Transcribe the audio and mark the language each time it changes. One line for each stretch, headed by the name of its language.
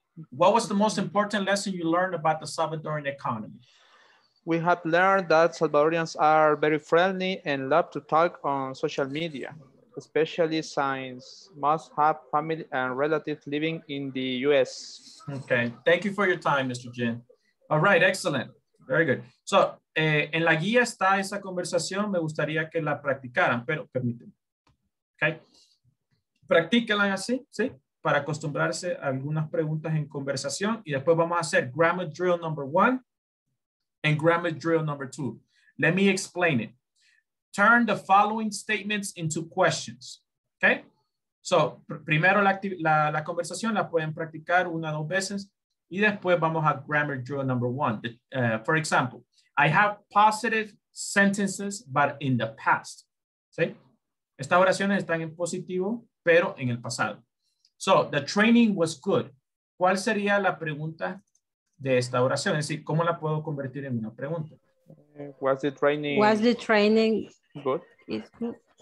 English: What was the most important lesson you learned about the Salvadoran economy? We have learned that Salvadorians are very friendly and love to talk on social media, especially since most have family and relatives living in the US. Okay, thank you for your time, Mr. Jin. All right, excellent. Very good.
Spanish: So, en la guía está esa conversación, me gustaría que la practicaran, pero permíteme. Okay. Practíquenla así, ¿sí? Para acostumbrarse a algunas preguntas en conversación y después vamos a hacer
English: grammar drill number one. And grammar drill number two. Let me explain it. Turn the following statements into questions. Okay?
Spanish: So, primero la conversación la pueden practicar una o dos veces. Y después vamos a
English: grammar drill number one. For example, I have positive sentences, but in the past.
Spanish: ¿Sí? Estas oraciones están en positivo, pero en el pasado. So,
English: the training was good.
Spanish: ¿Cuál sería la pregunta de esta oración? Es decir, ¿cómo la puedo convertir en una pregunta?
English: Was the training good? It's good.